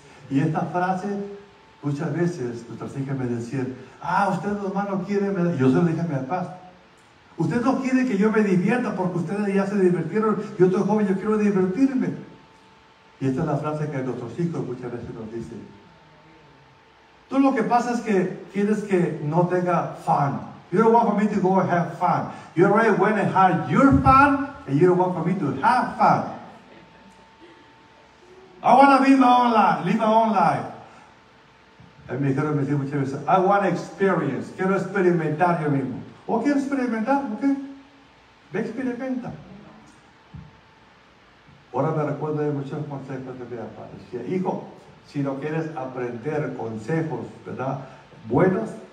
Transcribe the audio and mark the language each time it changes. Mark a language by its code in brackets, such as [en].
[es] Y esta frase, muchas veces, nuestras hijas me decían, usted hermano quiere, yo se lo dije a mi papá, usted no quiere que yo me divierta porque ustedes ya se divirtieron, yo estoy joven, yo quiero divertirme. Y esta es la frase que nuestros hijos muchas veces nos dicen. Tú lo que pasa es que quieres que no tenga fun. [en] You don't want for me to go and have fun. You already went and had your fun, and you don't want for me to have fun. I want to be my own life, live my own life. [es] Y me dijeron muchas veces, [en] I want experience. [es] Quiero experimentar yo mismo. ¿O quiero experimentar? ¿Ok? Ve, experimenta. Ahora me recuerdo de muchos consejos de mi papá. Decía, hijo, si no quieres aprender consejos, ¿verdad? Buenos,